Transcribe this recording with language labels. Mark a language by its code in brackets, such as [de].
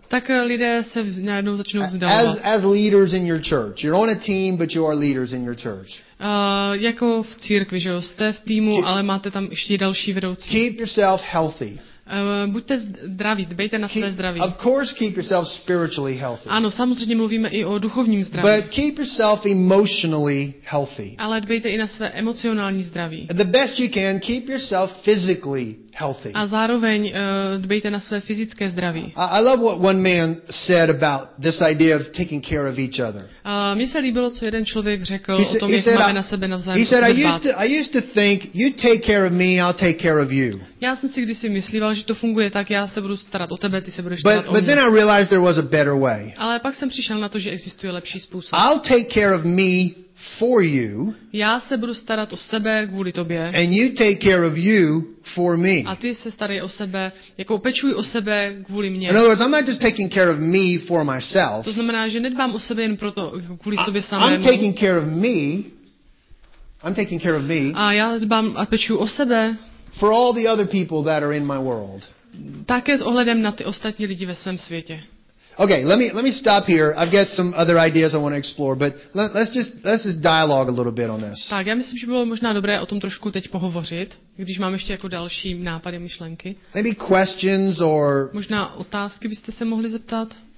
[cs] Tak lidé se najednou začnou vzdávat. [en] As leaders in your church, you're on a team, but you are leaders in your church. [cs] Jako v církvi, že jo, jste v týmu, ale máte tam ještě další vedoucí. [en] Keep yourself healthy. [cs] Buďte zdraví, dbejte na své zdraví. [en] Of course, keep yourself spiritually healthy. [cs] Ano, samozřejmě mluvíme i o duchovním zdraví. [en] But keep yourself emotionally healthy. [cs] Ale dbejte i na své emocionální zdraví. [en] The best you can, keep yourself physically healthy. [cs] A zároveň dbejte na své fyzické zdraví. [en] I love what one man said about this idea of taking care of each other. [cs] Mně se líbilo, co jeden člověk řekl o tom, jak máme na sebe navzájem dbát. [en] He said, I used to think, you take care of me, I'll take care of you. [cs] Já jsem si kdysi myslíval, že to funguje tak, já se budu starat o tebe, ty se budeš starat o mě. [en] But then I realized there was a better way. [cs] Ale pak jsem přišel na to, že existuje lepší způsob. [en] I'll take care of me for you. [cs] Já se budu starat o sebe kvůli tobě. [en] And you take care of you for me. [cs] A ty se starej o sebe, jako opečuj o sebe kvůli mně. [en] In other words, I'm not just taking care of me for myself. [cs] To znamená, že nedbám o sebe jen proto, kvůli sobě samému. [en] I'm taking care of me. [cs] A já dbám a pečuji o sebe. [en] For all the other people that are in my world. [cs] Také s ohledem na ty ostatní lidi ve svém světě. [en] Okay, let me stop here. I've got some other ideas I want to explore, but let's just dialogue a little bit on this. [cs] Tak, já myslím, že bylo možná dobré o tom trošku teď pohovořit, když mám ještě jako další nápady, myšlenky. [en] Maybe questions or [cs] možná otázky byste se mohli zeptat.